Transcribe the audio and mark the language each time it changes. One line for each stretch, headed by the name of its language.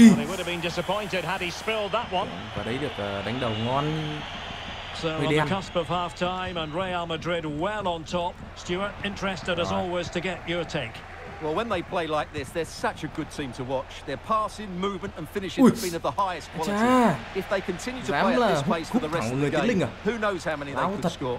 English: Would have been disappointed had he spilled that one.
Vietnamese: Và đấy được đánh đầu ngon.
English: So on the cusp of half time and Real Madrid well on top. Stuart, interested as always to get your take. Well, when they play like this, they're such a good team to watch. Their passing, movement and finishing have been of the highest quality. If they continue to play at this pace for the rest of the game, who knows how many they could score.